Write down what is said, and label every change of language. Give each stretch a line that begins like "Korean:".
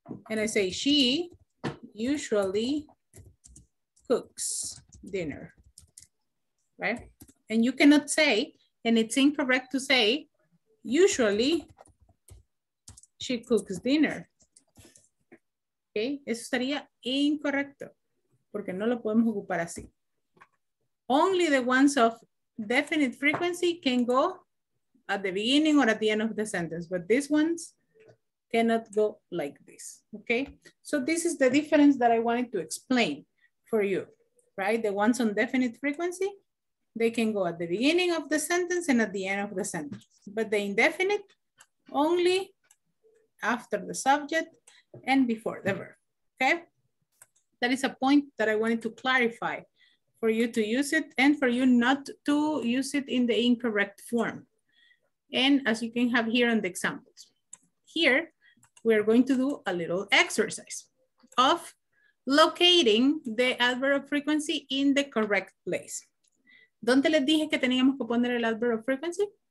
English: And I say, she usually cooks dinner, right? And you cannot say, and it's incorrect to say, usually she cooks dinner. Okay.
Spanish: Eso estaría incorrecto porque no lo podemos ocupar así.
English: Only the ones of definite frequency can go at the beginning or at the end of the sentence, but these ones cannot go like this, okay? So this is the difference that I wanted to explain for you, right? The ones on definite frequency, they can go at the beginning of the sentence and at the end of the sentence, but the indefinite only after the subject and before the verb, okay? That is a point that I wanted to clarify for you to use it and for you not to use it in the incorrect form. And as you can have here on the examples, here we are going to do a little exercise of locating the adverb of frequency in the correct place.
Spanish: ¿Dónde les dije que teníamos que poner el
English: adverb of frequency?